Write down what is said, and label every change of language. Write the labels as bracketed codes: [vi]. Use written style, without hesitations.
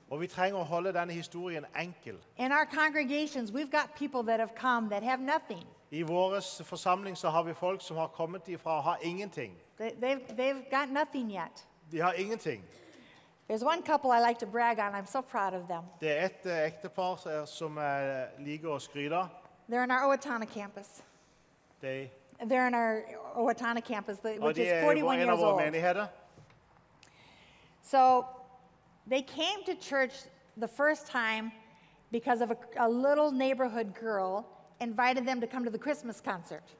[no] Og vi trenger å holde denne historien enkel. [en] In our congregations, we've got people that have come that have nothing. [no] I våres forsamling så har vi folk som har kommet ifra og har ingenting. [en] They've got nothing yet. [no] De har ingenting. [en] There's one couple I like to brag on. I'm so proud of them. [no] Det et ektepar som liker å skryte. [en] They're in our Owatonna campus. They're in our Owatonna campus, which is 41 years old. [no] Menigheter. [en] So they came to church the first time because of a little neighborhood girl invited them to come to the Christmas concert.